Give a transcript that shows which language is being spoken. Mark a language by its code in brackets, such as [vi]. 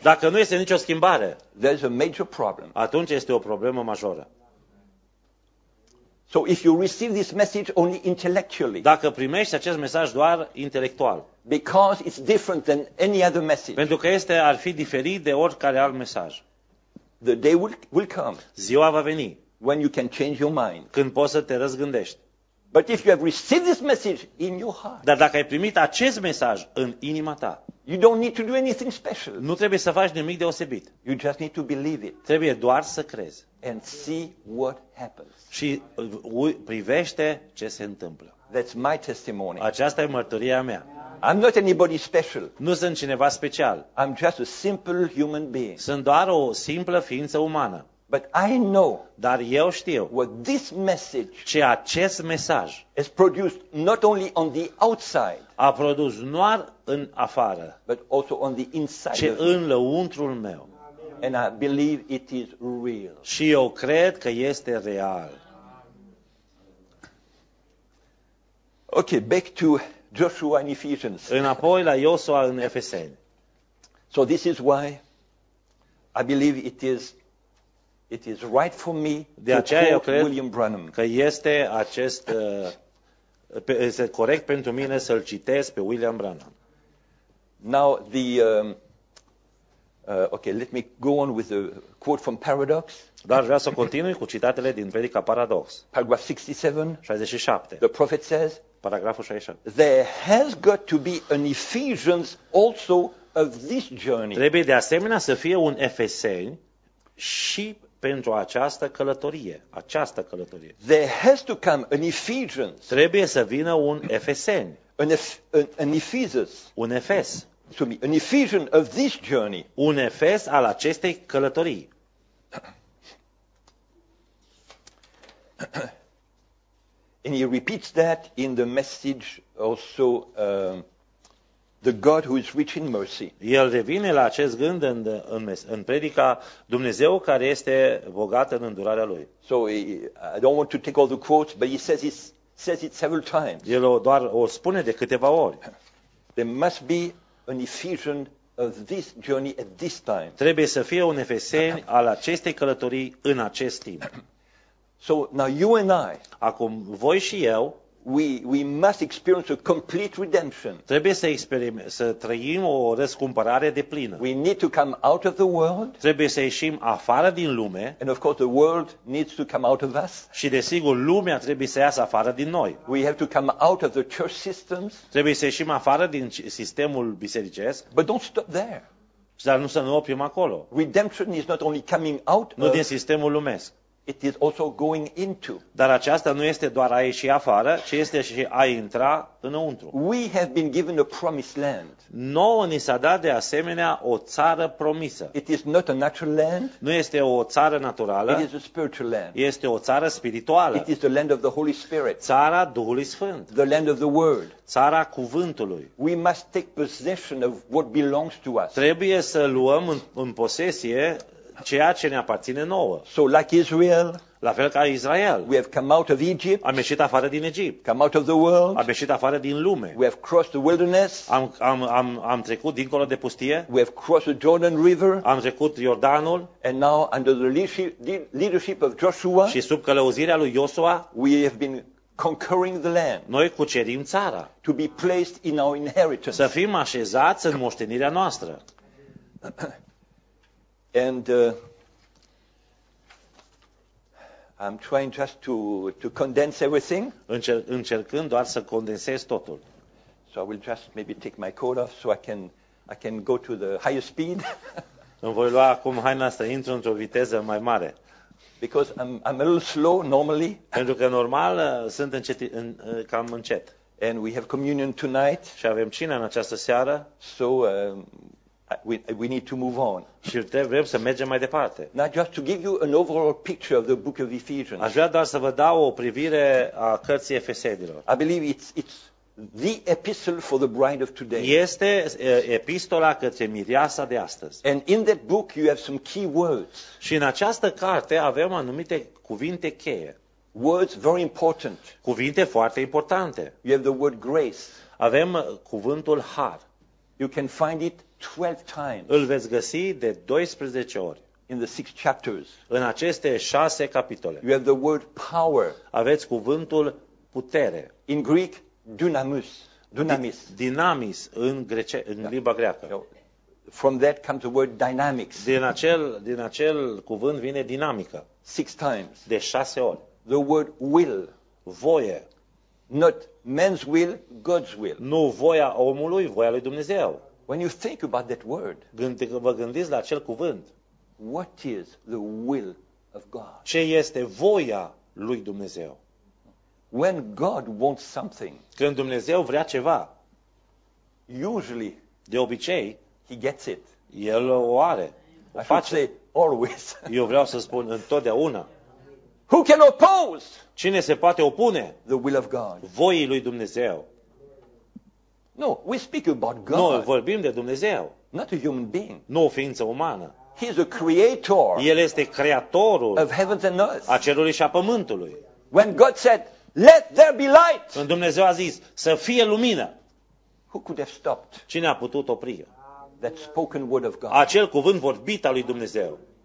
[ro] Dacă nu este nicio schimbare. [en] There's a major problem. [ro] Atunci este o problemă majoră. [en] So if you receive this message only intellectually. [ro] Dacă primești acest mesaj doar intelectual. [en] Because it's different than any other message. [ro] Pentru că este ar fi diferit de oricare alt mesaj. [en] The day will come. [ro] Ziua va veni. [en] When you can change your mind. [ro] Când poți să te răzgândești. [en] But if you have received this message in your heart. [ro] Dar dacă ai primit acest mesaj în inima ta. [en] You don't need to do anything special. [ro] Nu trebuie să faci nimic deosebit. [en] You just need to believe it. [ro] Trebuie doar să crezi. [en] And see what happens. [ro] Și privește ce se întâmplă. [en] That's my testimony. [ro] Aceasta e mărturia mea. [en] I'm not anybody special. [ro] Nu sunt cineva special. [en] I'm just a simple human being. [ro] Sunt doar o simplă ființă umană. [en] But I know. [ro] Dar eu știu. [en] What this message. [ro] Ce acest mesaj. [en] Has produced not only on the outside. [ro] A produs nu doar în afară. [en] But also on the inside. [ro] Ce în lăuntrul meu. [en] And I believe it is real. [ro] Și eu cred că este real. [en] Okay, back to Joshua in Ephesians. [ro] Înapoi la Iosua în Efeseni. [en] So this is why I believe it is right for me [ro] de [en] to [ro] aceea [en] quote [ro] eu cred [en] William Branham. [ro] Că este acest este corect pentru mine să-l citesc pe William Branham. [en] Now the okay, let me go on with a quote from Paradox. [ro] Dar vreau să continui cu citatele din Predica Paradox. [en] Paragraph 67. The prophet says. [ro] Paragraful 67. [en] There has got to be an Ephesians also of this journey. [ro] Trebuie de asemenea să fie un Efeseni și pentru această călătorie, această călătorie. [en] There has to come an Ephesians. [ro] Trebuie să vină un Efeseni. [en] An Ephesus. [ro] Un Efes. [en] Excuse me, an Ephesian of this journey. [ro] Un Efes al acestei călătorii. [en] And he repeats that in the message also the God who is rich in mercy. [ro] El revine la acest gând în predica Dumnezeu care este bogat în îndurarea lui. [en] So I don't want to take all the quotes, but he says it several times. [ro] El doar o spune de câteva ori. [en] There must be an Ephesian of this journey at this time. [ro] Trebuie să fie un Efesen al acestei călătorii în acest timp. [en] So now you and I, [ro] acum voi și eu, [en] we must experience a complete redemption. [ro] Trebuie să trăim o răscumpărare deplină. [en] We need to come out of the world. [ro] Trebuie să ieșim afară din lume. [en] And of course the world needs to come out of us. [ro] Și desigur lumea trebuie să iasă afară din noi. [en] We have to come out of the church systems. [ro] Trebuie să ieșim afară din sistemul bisericesc. [en] But don't stop there. [ro] Dar nu să ne oprim acolo. [en] Redemption is not only coming out. [ro] Nu din sistemul lumesc. [en] It is also going into. [ro] Dar aceasta nu este doar a ieși afară, ci este și a intra înăuntru. [en] We have been given a promised land. [ro] Nouă ni s-a dat de asemenea o țară promisă. [en] It is not a natural land. [ro] Nu este o țară naturală. [en] It is a spiritual land. [ro] Este o țară spirituală. [en] It is the land of the Holy Spirit. [ro] Țara Duhului Sfânt. [en] The land of the Word. [ro] Țara Cuvântului. [en] We must take possession of what belongs to us. [ro] Trebuie să luăm în posesie ceea ce ne aparține nouă. [en] So like Israel, [ro] La fel ca Israel. [en] We have come out of Egypt. [ro] Am ieșit afară din Egipt. [en] Come out of the world. [ro] Am ieșit afară din lume. [en] We have crossed the wilderness. [ro] Am trecut dincolo de pustie. [en] We have crossed the Jordan River. [ro] Am trecut Iordanul. [en] And now under the leadership of Joshua. [ro] Și sub călăuzirea lui Iosua. [en] We have been conquering the land. [ro] Noi cucerim țara. [en] To be placed in our inheritance. [ro] Să fim așezați în moștenirea noastră. [en] And I'm trying just to condense everything. [ro] Încercând doar să condensez totul. [en] So I will just maybe take my coat off so I can go to the higher speed. [ro] Îmi voi lua acum haina asta, intru într-o viteză mai mare. [en] Because I'm a little slow normally. [ro] Pentru că normal sunt cam încet. [en] And we have communion tonight. [ro] Și avem cină în această seară. [en] So we need to move on. [ro] Și vrem să mergem mai departe. [en] Now just to give you an overall picture of the book of Ephesians. [ro] Aș vrea doar să vă dau o privire a cărții Efesenilor. [en] I believe it's the epistle for the bride of today. [ro] Este epistola către mireasa de astăzi. [en] And in that book you have some key words. [ro] Și în această carte avem anumite cuvinte cheie. [en] Words very important. [ro] Cuvinte foarte importante. [en] You have the word grace. [ro] Avem cuvântul har. [en] You can find it 12 times. [ro] Îl veți găsi de 12 ori. [en] In the 6 chapters. [ro] În aceste 6 capitole. [en] You have the word power. [ro] Aveți cuvântul putere. [en] In Greek, dynamis. [el] Dynamis. [ro] Dynamis în limba greacă. [en] From that comes the word dynamics. [ro] Din acel cuvânt vine dinamică. [en] 6 times. [ro] De 6 ori. [en] The word will. [ro] Voie. [en] Not man's will, God's will. [ro] Nu voia omului, voia lui Dumnezeu. [en] When you think about that word, [ro] vă gândiți la acel cuvânt. [en] What is the will of God? [ro] Ce este voia lui Dumnezeu? [en] When God wants something, [ro] când Dumnezeu vrea ceva, [en] usually, [ro] de obicei, [en] he gets it. [ro] El o are. O face. [en] I should say always. [ro] Eu vreau să spun întotdeauna. [en] Who can oppose? [ro] Cine se poate opune? [en] The will of God. [ro] Voii lui Dumnezeu. [en] No, we speak about God. [ro] Noi vorbim de Dumnezeu. [en] Not a human being. [ro] Nu o ființă umană. [en] He is a creator. [ro] El este creatorul. [en] Of heavens and earth. [ro] A cerului și a pământului. [en] When God said, "Let there be light." [ro] Când Dumnezeu a zis, "Să fie lumină." [en] Who could have stopped? [ro] Cine a putut opri? [en] That spoken word of God. [ro] Acel cuvânt vorbit al lui Dumnezeu.